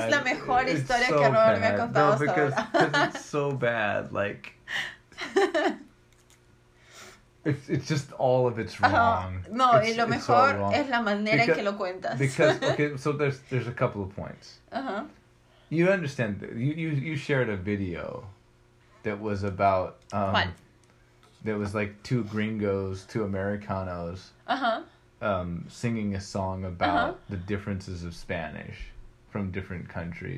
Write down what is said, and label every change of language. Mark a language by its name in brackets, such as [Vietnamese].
[Spanish] Es la mejor historia que Robert me ha contado hasta ahora. [English] No, because it's so bad. Like, it's just all of it's wrong. Uh-huh. No, it's, [Spanish] y lo mejor es la manera en que lo cuentas. [English] Because, okay, so there's a couple of points. Uh-huh. You understand, you shared a video that was about, what? That was like two gringos, two Americanos. Uh-huh. singing a song about uh-huh. the differences of Spanish from different countries.